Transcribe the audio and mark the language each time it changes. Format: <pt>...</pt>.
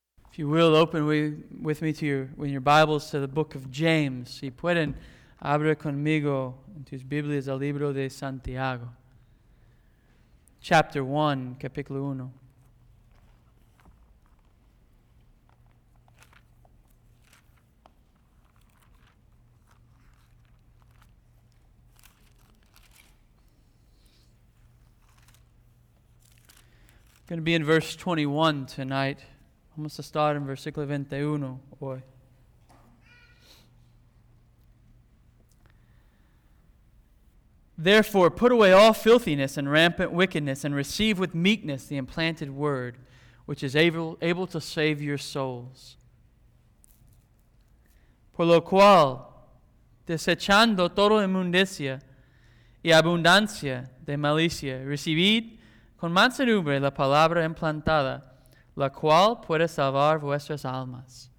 <en>If you will, open with me to your Bibles to the book of James.</en> <es>Si pueden, abre conmigo en tus Biblias al libro de Santiago.</es> <en>Chapter 1,</en> <es>capítulo 1.</es> <en>Going to be in verse 21 tonight.</en> <es>Vamos a estar en versículo 21 hoy.</es> <en>Therefore, put away all filthiness and rampant wickedness, and receive with meekness the implanted word, which is able to save your souls.</en> <es>Por lo cual, desechando toda inmundicia y abundancia de malicia, recibid con mansedumbre la palabra implantada, la cual puede salvar vuestras almas.</es>